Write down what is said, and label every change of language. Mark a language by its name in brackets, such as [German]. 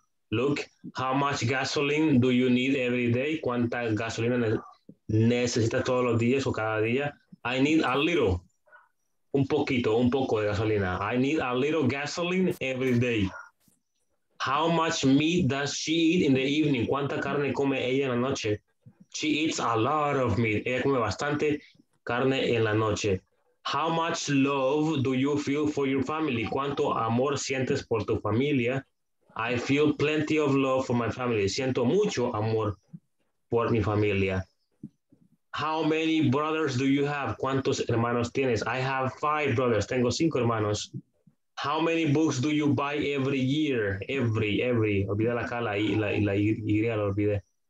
[English] Look, how much gasoline do you need every day? [Spanish] ¿Cuánta gasolina necesitas todos los días o cada día? [English] I need a little, [Spanish] un poquito, un poco de gasolina. [English] I need a little gasoline every day. How much meat does she eat in the evening? [Spanish] ¿Cuánta carne come ella en la noche? [English] She eats a lot of meat. [Spanish] Ella come bastante carne en la noche. [English] How much love do you feel for your family? [Spanish] ¿Cuánto amor sientes por tu familia? [English] I feel plenty of love for my family. [Spanish] Siento mucho amor por mi familia. [English] How many brothers do you have? [Spanish] ¿Cuántos hermanos tienes? [English] I have 5 brothers. [Spanish] Tengo 5 hermanos. [English] How many books do you buy every year? Every. Olvida la cala y la iría, la olvidé.